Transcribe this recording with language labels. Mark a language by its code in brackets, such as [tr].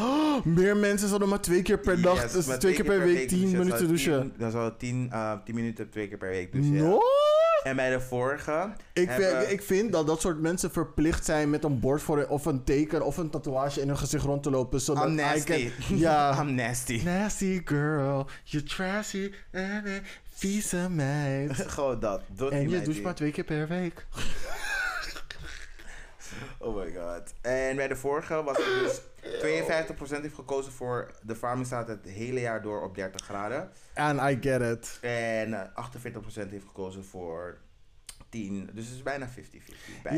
[nl] Oh, meer mensen zouden maar twee keer per dag... Yes, dus twee keer per week 10 minuten douchen. Dan zouden 10 minuten twee keer per week douchen. [en] No! [nl] En bij de vorige... Ik vind dat dat soort mensen verplicht zijn met een bord voor of een teken of een tatoeage in hun gezicht rond te lopen. Zodat [en] I'm nasty. I'm nasty. Nasty girl, you're trashy and a [nl] vieze meid. Gewoon dat. En je doucht maar twee keer per week. [en] Oh my god. [nl] En bij de vorige was het dus 52% heeft gekozen voor de farming staat het hele jaar door op 30 graden. [en] And I get it. [nl] En 48% heeft gekozen voor 10. Dus het is bijna 50-50. Bijna.